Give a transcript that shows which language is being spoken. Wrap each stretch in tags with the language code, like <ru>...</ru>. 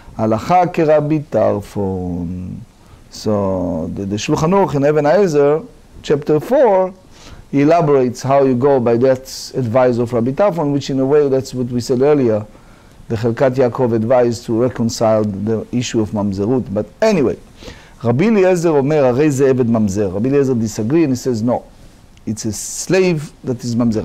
<he>הלכה כרבי טרפון.</he> <en>So the Shulchan Aruch in Eben Ezer, chapter 4, he elaborates how you go by that advice of Rabbi Tarfon, which in a way, that's what we said earlier, the Chelkat Yaakov advice to reconcile the issue of Mamzerut. But anyway, Rabbi Eliezer Omer,</en> <he>הרי זה עבד ממזר.</he> <en>Rabbi Eliezer disagrees and he says, no, it's a slave that is Mamzer.</en>